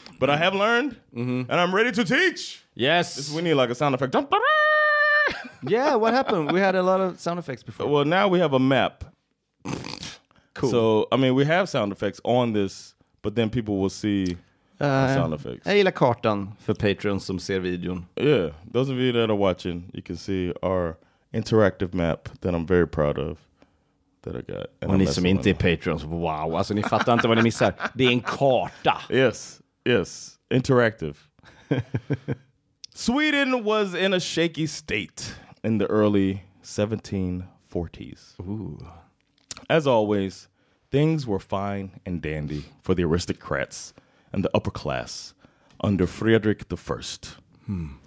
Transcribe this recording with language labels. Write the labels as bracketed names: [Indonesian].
[English] But I have learned, and I'm ready to teach. Yes. This, we need like a sound effect. Yeah, what happened? We had a lot of sound effects before. Well, now we have a map. Cool. So, I mean, we have sound effects on this, but then people will see the sound effects. [Swedish] Jag gillar kartan för Patreons som ser videon. [English] Yeah, those of you that are watching, you can see our interactive map that I'm very proud of. That I got. [Swedish] Och ni som inte är Patreons, wow, alltså ni fattar inte vad ni missar. Det är en karta. [English] Yes, yes, interactive. Sweden was in a shaky state in the early 1740s. Ooh. As always, things were fine and dandy for the aristocrats and the upper class under Frederick I.